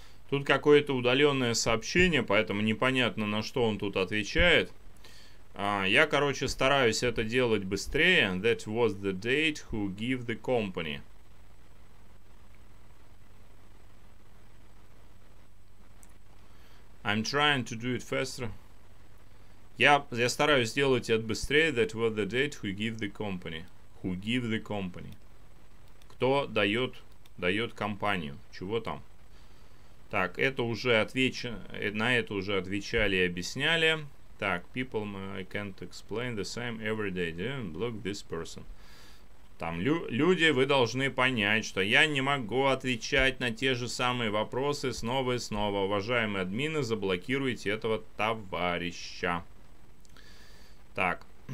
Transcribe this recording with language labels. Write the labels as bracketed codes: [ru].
[ru] Тут какое-то удаленное сообщение, поэтому непонятно, на что он тут отвечает. Я, короче, стараюсь это делать быстрее. [en] That was the date who gave the company. I'm trying to do it faster. [ru] Я стараюсь сделать это быстрее. [en] That was the date who gave the company. Who gave the company. [ru] Кто дает компанию? Чего там? Так, это уже на это уже отвечали и объясняли. [en] Так, people, I can't explain the same every day. Didn't block this person. [ru] Там, люди, вы должны понять, что я не могу отвечать на те же самые вопросы снова и снова. Уважаемые админы, заблокируйте этого товарища. Так.